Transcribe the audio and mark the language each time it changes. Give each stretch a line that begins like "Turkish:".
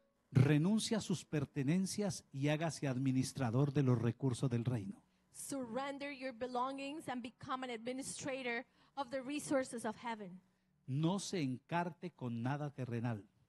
Spanish: Renuncia a sus pertenencias y hágase administrador de los recursos del reino.
English: Surrender your belongings and become an administrator of the resources of heaven.
Spanish: No se encarte con nada terrenal.